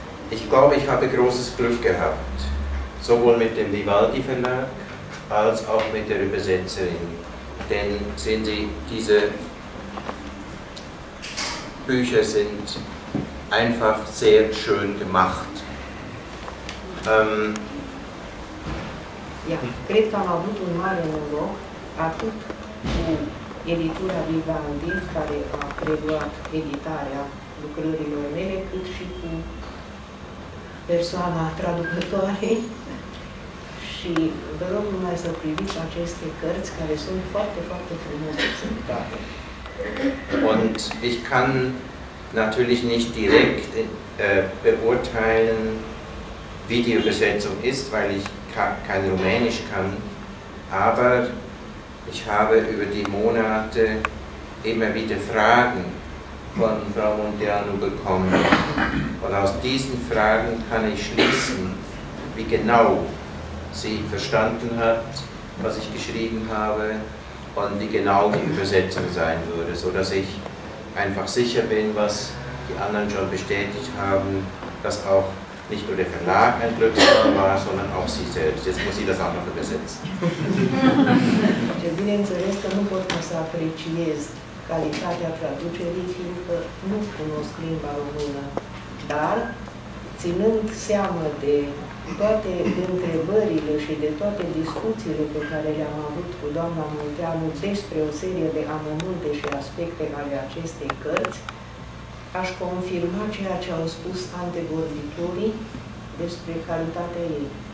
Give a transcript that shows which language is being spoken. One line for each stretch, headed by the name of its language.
German: Ich glaube, ich habe großes Glück gehabt, sowohl mit dem Vivaldi-Verlag als auch mit der Übersetzerin. Denn sehen Sie, diese Bücher sind einfach sehr schön gemacht.
Romanian: Ja, cred că am avut un mare noroc atât cu editura Vivaldi, care a preluat editarea lucrărilor mele, cât și cu persoana traducătoare. Și vă rog numai să priviți aceste cărți care sunt foarte, foarte frumoase.
German: Und ich kann natürlich nicht direkt beurteilen, wie die Übersetzung ist, weil ich kein Rumänisch kann, aber ich habe über die Monate immer wieder Fragen von Frau Mondeanu bekommen. Und aus diesen Fragen kann ich schließen, wie genau sie verstanden hat, was ich geschrieben habe, und wie genau die Übersetzung sein würde, sodass ich einfach sicher bin, was die anderen schon bestätigt haben, dass auch nicht nur der Verlag ein Glücksfall war, sondern auch sie selbst. Jetzt muss sie das auch noch übersetzen.
Romanian: Ja, bineînțeles că nu pot să apreciez calitatea traducerii, fiindcă nu cunosc limba română. Dar, ținând seama de toate întrebările și de toate discuțiile pe care le-am avut cu doamna Munteanu despre o serie de amănunte și aspecte ale acestei cărți, aș confirma ceea ce au spus antevorbitorii despre calitatea ei.